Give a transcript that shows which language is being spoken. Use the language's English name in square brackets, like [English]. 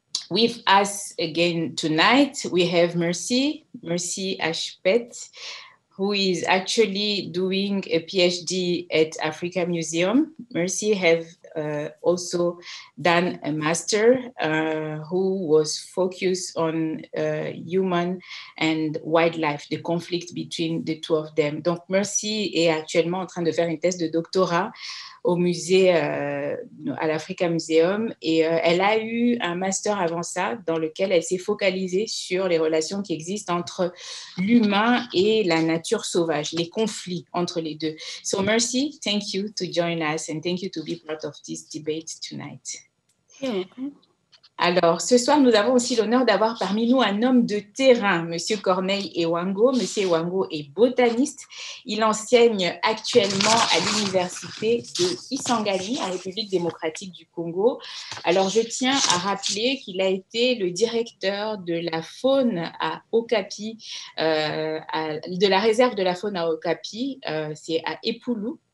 [English] With us again tonight, we have Mercy Ashpet, who is actually doing a PhD at Africa Museum. Mercy have also done a master who was focused on human and wildlife, the conflict between the two of them. [French] Donc Mercy est actuellement en train de faire une thèse de doctorat au musée, à l'Africa Museum, et elle a eu un master avant ça dans lequel elle s'est focalisée sur les relations qui existent entre l'humain et la nature sauvage, les conflits entre les deux. [English] So Mercy, thank you to join us and thank you to be part of this debate tonight. [French] Alors, ce soir, nous avons aussi l'honneur d'avoir parmi nous un homme de terrain, Monsieur Corneille Ewango. Monsieur Ewango est botaniste. Il enseigne actuellement à l'université de Kisangani, en République démocratique du Congo. Alors, je tiens à rappeler qu'il a été le directeur de la faune à Okapi, de la réserve de la faune à Okapi, c'est à Epulu.